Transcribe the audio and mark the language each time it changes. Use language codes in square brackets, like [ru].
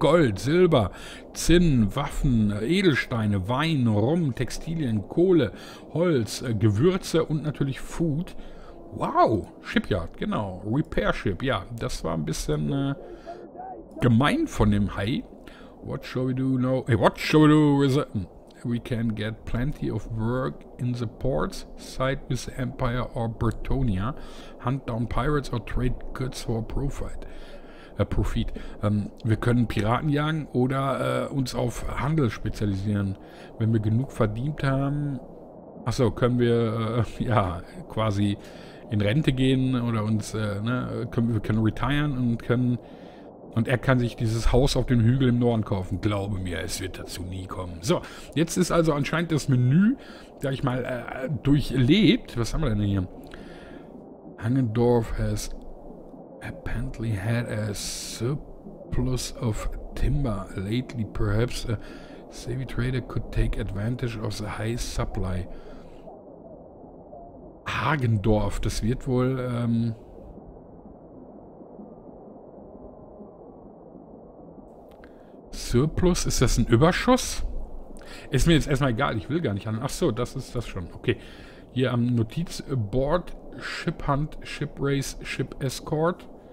[de] Gold, Silber, Zinn, Waffen, Edelsteine, Wein, Rum, Textilien, Kohle, Holz, Gewürze und natürlich Food. Wow, Shipyard, genau. Repair Ship, ja. Das war ein bisschen gemein von dem Hai. [en] What shall we do now? Hey, what shall we do with it? We can get plenty of work in the ports, side with the Empire or Britannia, hunt down pirates or trade goods for profit. Profit. [de] Wir können Piraten jagen oder uns auf Handel spezialisieren. Wenn wir genug verdient haben, achso, können wir ja quasi in Rente gehen oder uns, wir können retiren und können, und er kann sich dieses Haus auf dem Hügel im Norden kaufen. Glaube mir, es wird dazu nie kommen. So, jetzt ist also anscheinend das Menü, sag ich mal, durchlebt. Was haben wir denn hier? [en] Hangendorf has apparently had a surplus of timber lately. Perhaps a savvy trader could take advantage of the high supply. [de] Hagendorf, das wird wohl Surplus, ist das ein Überschuss? Ist mir jetzt erstmal egal, ich will gar nicht an. Ach so, das ist das schon. Okay, hier am Notizboard, Ship Hunt, Ship Race, Ship Escort.